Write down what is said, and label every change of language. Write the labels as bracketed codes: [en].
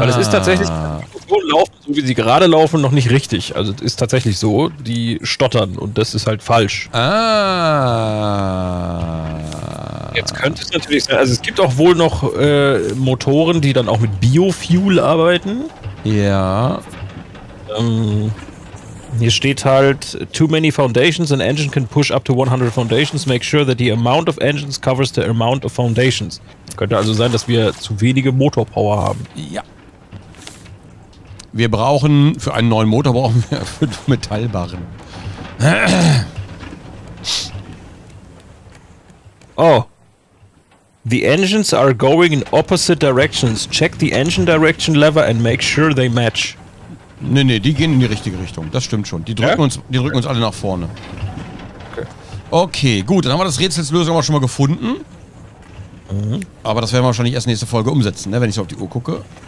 [de] Weil es ist tatsächlich... Laufen, so wie sie gerade laufen, noch nicht richtig. Also es ist tatsächlich so, die stottern und das ist halt falsch. Ah. Jetzt könnte es natürlich sein, also es gibt auch wohl noch Motoren, die dann auch mit Biofuel arbeiten. Ja. Hier steht halt, [en] too many foundations, an engine can push up to 100 foundations, make sure that the amount of engines covers the amount of foundations. [de] Könnte also sein, dass wir zu wenige Motorpower haben. Ja. Wir brauchen, für einen neuen Motor brauchen wir 5 Metallbarren. Oh. [en] The engines are going in opposite directions. Check the engine direction lever and make sure they match. [de] Nee, die gehen in die richtige Richtung. Das stimmt schon. Die drücken uns alle nach vorne. Okay, gut. Dann haben wir das Rätselslösung auch schon mal gefunden. Mhm. Aber das werden wir wahrscheinlich erst nächste Folge umsetzen, ne? Wenn ich so auf die Uhr gucke.